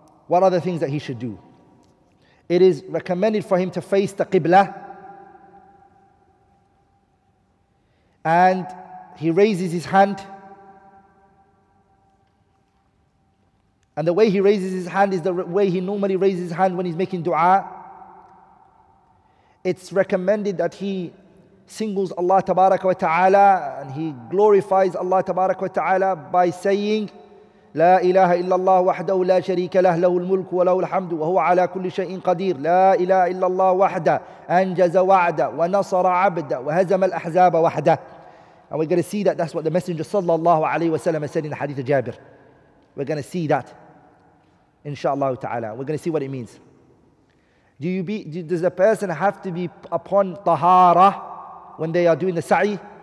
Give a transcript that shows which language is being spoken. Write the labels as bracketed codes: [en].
[en] What are the things that he should do? It is recommended for him to face the Qibla. And he raises his hand. And the way he raises his hand is the way he normally raises his hand when he's making dua. It's recommended that he singles Allah tabarak wa ta'ala and he glorifies Allah tabarak wa ta'ala by saying, [ar] لا إله إلا الله وحده لا شريك له له الملك وله الحمد وهو على كل شيء قدير لا إله إلا الله وحده أنجز وعده ونصر عبده وهزم الأحزاب وحده. [en] And we're going to see that that's what the Messenger sallallahu alayhi wa sallam said in the hadith of Jabir. We're going to see that, inshallah ta'ala. We're going to see what it means. Does a person have to be upon tahara when they are doing the sa'i?